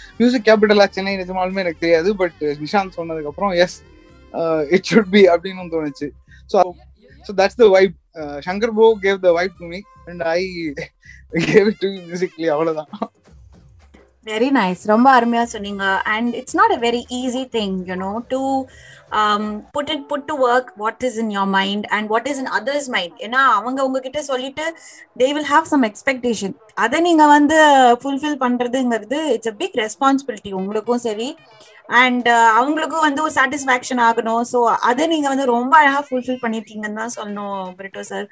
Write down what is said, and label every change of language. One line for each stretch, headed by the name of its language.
Tamil: Music கேபிட்டலா Chennai நிஜமாலுமே எனக்கு தெரியாது, பட் நிஷாந்த் சொன்னதுக்கு அப்புறம்
English: yes it should be
Tamil: அப்படின்னு தோணுச்சு.
English: So so that's the vibe. Shankar bro gave the vibe to me and I gave it to musically, அவ்வளவுதான். Very nice,
Tamil: ரொம்ப அருமையா சொன்னீங்க.
English: And it's not a very easy thing, you know, to put it put to work what is in your mind and what is in others' mind.
Tamil: ஏன்னா அவங்க உங்ககிட்ட சொல்லிட்டு
English: they will have some expectation.
Tamil: அதை நீங்க வந்து fulfil பண்றதுங்கிறது
English: it's a big responsibility
Tamil: உங்களுக்கும் சரி அண்ட் அவங்களுக்கும் வந்து ஒரு சாட்டிஸ்ஃபேக்ஷன் ஆகணும். ஸோ அதை நீங்க வந்து ரொம்ப அழகா ஃபுல்ஃபில் பண்ணிருக்கீங்கன்னு தான் சொல்லணும் பிரிட்டோ சார்.